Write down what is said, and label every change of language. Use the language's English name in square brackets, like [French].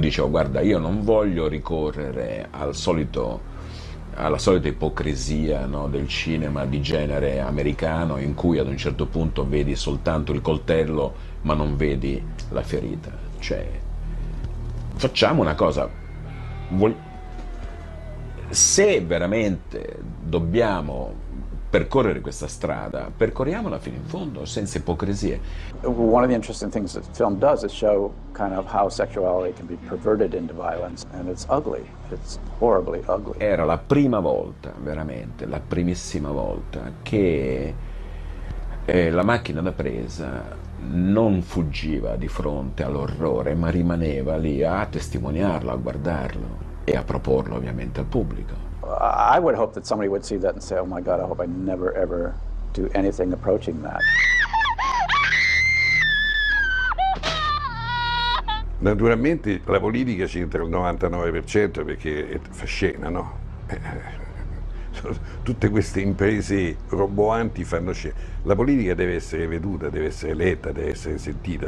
[Italian] Dicevo, guarda, io non voglio ricorrere alla solita ipocrisia, no, del cinema di genere americano, in cui ad un certo punto vedi soltanto il coltello ma non vedi la ferita. Cioè, facciamo una cosa, se veramente dobbiamo percorrere questa strada, percorriamola fino in fondo, senza ipocrisie. [English] One of the interesting things that the film does is show kind of how sexuality can be perverted into violence, and it's ugly, it's horribly ugly. [Italian] Era la prima volta, veramente, la primissima volta che la macchina da presa non fuggiva di fronte all'orrore, ma rimaneva lì a testimoniarlo, a guardarlo e a proporlo ovviamente al pubblico. [English] I would hope that somebody would see that and say, oh my God, I hope I never ever do anything approaching that. [Italian] Naturalmente la politica c'entra il 99%, perché è scena, no? Tutte queste imprese roboanti fanno scena. La politica deve essere veduta, deve essere letta, deve essere sentita.